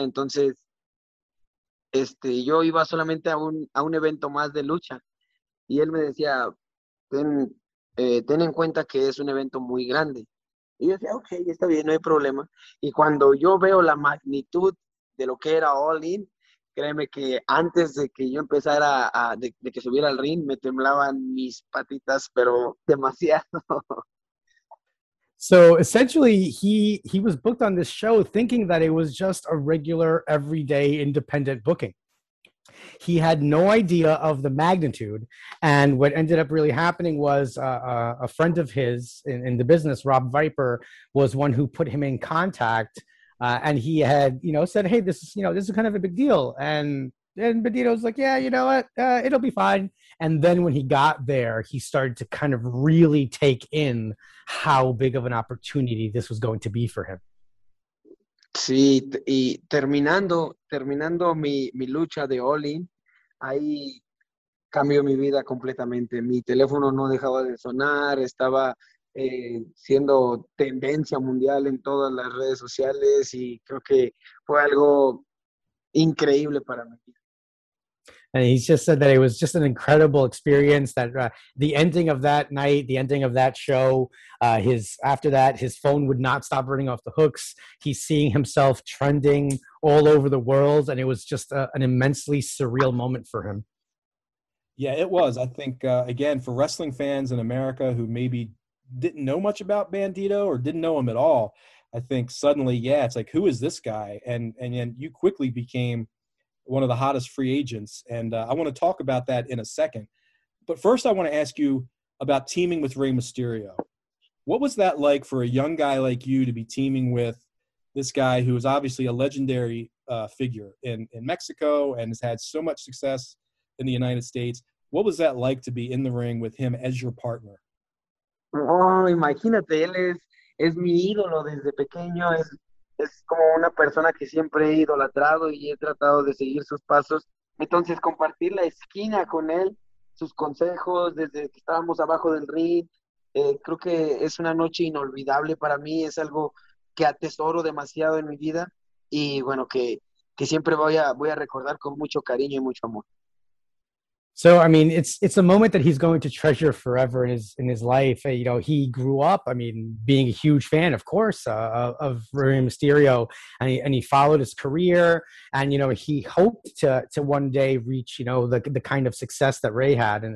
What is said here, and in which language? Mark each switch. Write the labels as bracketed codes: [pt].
[es] Entonces, yo iba solamente a un evento más de lucha y él me decía, ten en cuenta que es un evento muy grande. Y yo decía, ok, está bien, no hay problema. Y cuando yo veo la magnitud de lo que era All In, créeme que antes de que yo empezara de que subiera al ring, me temblaban mis patitas, pero demasiado. [en] So essentially, he was booked on this show thinking that it was just a regular, everyday, independent booking. He had no idea of the magnitude. And what ended up really happening was a friend of his in the business, Rob Viper, was one who put him in contact. And he had, said, hey, this is kind of a big deal. And Bandido was like, yeah, you know what? It'll be fine. And then when he got there, he started to kind of really take in how big of an opportunity this was going to be for him. [es] Sí, y terminando mi lucha de All In, ahí cambió mi vida completamente. Mi teléfono no dejaba de sonar, estaba siendo tendencia mundial en todas las redes sociales y creo que fue algo increíble para mí. [en] And he just said that it was just an incredible experience, that the ending of that night, the ending of that show, his phone would not stop ringing off the hooks. He's seeing himself trending all over the world, and it was just an immensely surreal moment for him. Yeah, it was. I think, again, for wrestling fans in America who maybe didn't know much about Bandido or didn't know him at all, I think suddenly, yeah, it's like, who is this guy? And you quickly became one of the hottest free agents. And I want to talk about that in a second. But first I want to ask you about teaming with Rey Mysterio. What was that like for a young guy like you to be teaming with this guy who is obviously a legendary figure in Mexico and has had so much success in the United States? What was that like to be in the ring with him as your partner? [es] Oh, imagínate, él es mi ídolo desde pequeño. Es como una persona que siempre he idolatrado y he tratado de seguir sus pasos. Entonces, compartir la esquina con él, sus consejos, desde que estábamos abajo del ring, creo que es una noche inolvidable para mí. Es algo que atesoro demasiado en mi vida y, bueno, que siempre voy a recordar con mucho cariño y mucho amor. [en] So, I mean, it's a moment that he's going to treasure forever in his life. He grew up, being a huge fan, of course, of Rey Mysterio, and he followed his career, and, he hoped to one day reach, the kind of success that Rey had.